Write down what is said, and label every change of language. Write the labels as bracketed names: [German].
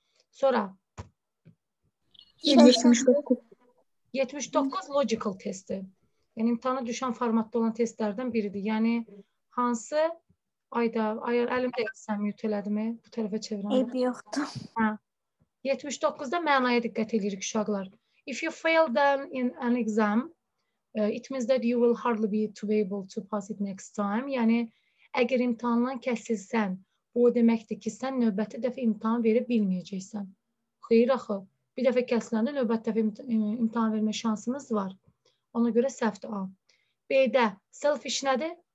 [Azerbaijani] Sonra 79 logical testi. Yəni imtahana düşən formatda olan testlərdən biridir. Yəni hansı ayda ayar əlimdə isəm mute elədimi? Bu tərəfə çevirəm. Eb yoxdur. Hə. 79-da mənaya diqqət edirik uşaqlar. [English] If you fail them in an exam, it means that you will hardly be to be able to pass it next time. [Azerbaijani] Yəni əgər imtahandan kəsilsən, bu o deməkdir ki, sən növbəti dəfə imtahan verə bilməyəcəksən. Xeyr axı. Bir dəfə kəsiləndə növbəti dəfə imtahan vermə şansımız var. Ona görə səhvdir A. B-də selfish nədir?